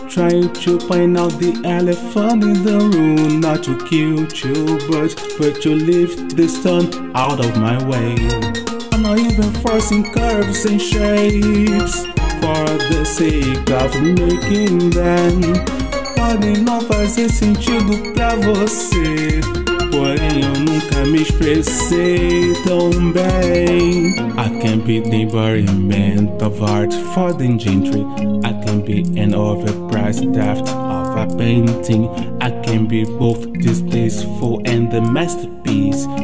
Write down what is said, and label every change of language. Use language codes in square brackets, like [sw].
[en] Trying to point out the elephant in the room, not to kill two birds, but to lift the stone out of my way. I'm not even forcing curves and shapes for the sake of making them. [pt] Podem não fazer sentido pra você, porém eu nunca me expressei tão bem. [en] I can be the embodiment of art for the gentry. I can be an overpriced draft of a painting. I can be both distasteful and the masterpiece.